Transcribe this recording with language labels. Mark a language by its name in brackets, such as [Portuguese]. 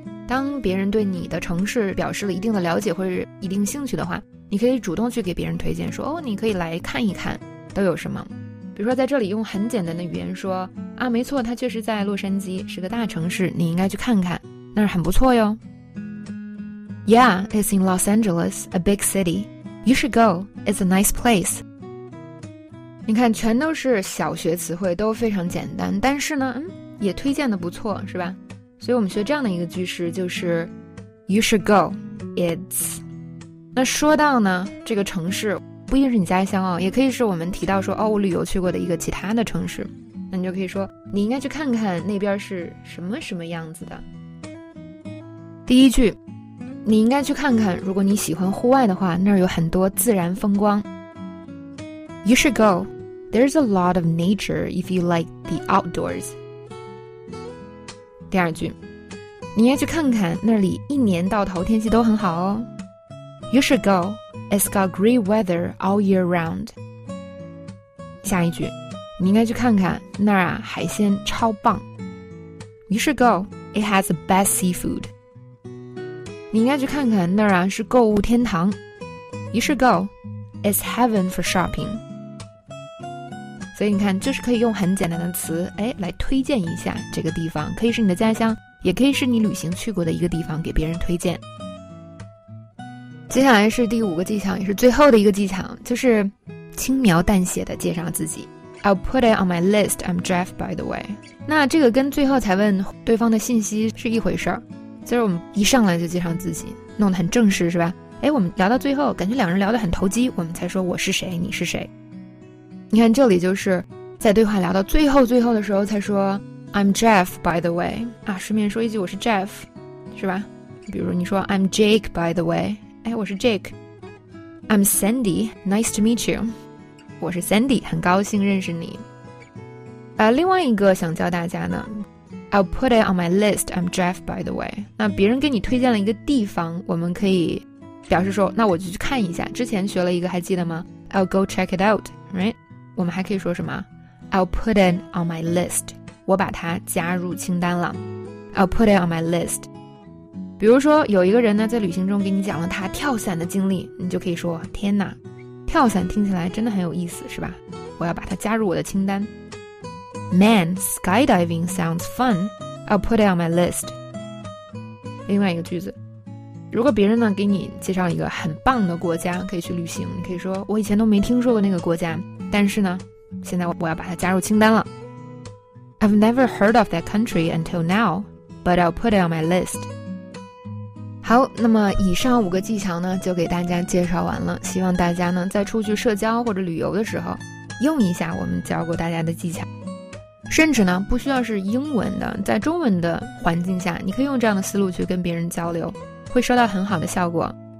[Chinese] 当别人对你的城市表示了一定的了解或者一定兴趣的话，你可以主动去给别人推荐，说哦，你可以来看一看都有什么。比如说在这里用很简单的语言说啊，没错，它确实在洛杉矶，是个大城市，你应该去看看，那是很不错哟。 [English] Yeah, it's in Los Angeles, a big city. You should go. It's a nice place. [Chinese] 你看，全都是小学词汇，都非常简单，但是呢，也推荐的不错，是吧？所以我们学这样的一个句式，就是 [English] You should go. It's. [Chinese] 那说到呢，这个城市不一定是你家乡哦，也可以是我们提到说哦，我旅游去过的一个其他的城市。那你就可以说，你应该去看看那边是什么什么样子的。第一句。你应该去看看，如果你喜欢户外的话，那儿有很多自然风光。 [English] You should go. There's a lot of nature if you like the outdoors. [Chinese] 第二句，你应该去看看，那里一年到头天气都很好哦。 [English] You should go. It's got great weather all year round. [Chinese] 下一句，你应该去看看，那儿啊，海鲜超棒。 [English] You should go. It has the best seafood. [Chinese] 你应该去看看那儿啊，是购物天堂。 [English] You should go. It's heaven for shopping. [Chinese] 所以你看，就是可以用很简单的词，来推荐一下这个地方，可以是你的家乡，也可以是你旅行去过的一个地方，给别人推荐。接下来是第五个技巧，也是最后的一个技巧，就是轻描淡写的介绍自己。 [English] I'll put it on my list. I'm Jeff, by the way. [Chinese] 那这个跟最后才问对方的信息是一回事儿。就是我们一上来就介绍自己，弄得很正式，是吧？我们聊到最后，感觉两人聊得很投机，我们才说我是谁，你是谁。你看这里就是在对话聊到最后最后的时候才说 [English] I'm Jeff, by the way. [Chinese] 啊，顺便说一句，我是 Jeff, 是吧？比如你说 [English] I'm Jake, by the way. [Chinese] 我是 [English] Jake. I'm Sandy, nice to meet you. [Chinese] 我是 Sandy, 很高兴认识你。另外一个想教大家呢， [English] I'll put it on my list. I'm Jeff, by the way. [Chinese] 那别人给你推荐了一个地方，我们可以表示说，那我就去看一下。之前学了一个，还记得吗？ [English] I'll go check it out, right? [Chinese] 我们还可以说什么？ [English] I'll put it on my list. [Chinese] 我把它加入清单了。 [English] I'll put it on my list. [Chinese] 比如说，有一个人呢，在旅行中给你讲了他跳伞的经历，你就可以说，天哪，跳伞听起来真的很有意思，是吧？我要把它加入我的清单。 [English] Man, skydiving sounds fun. I'll put it on my list. [Chinese] 另外一个句子，如果别人呢给你介绍一个很棒的国家可以去旅行，你可以说我以前都没听说过那个国家，但是呢，现在我要把它加入清单了。 [English] I've never heard of that country until now, but I'll put it on my list. [Chinese] 好，那么以上五个技巧呢就给大家介绍完了，希望大家呢在出去社交或者旅游的时候用一下我们教过大家的技巧。甚至呢不需要是英文的，在中文的环境下你可以用这样的思路去跟别人交流，会收到很好的效果。